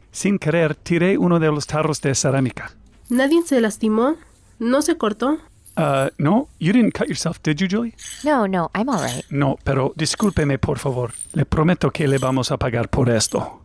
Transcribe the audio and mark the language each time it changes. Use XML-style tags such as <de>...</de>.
<es>Sin querer, tiré uno de los tarros de cerámica. ¿Nadie se lastimó? ¿No se cortó?</es> <en>No, you didn't cut yourself, did you, Julie? No, I'm all right.</en> <es>No, pero discúlpeme, por favor. Le prometo que le vamos a pagar por esto.</es>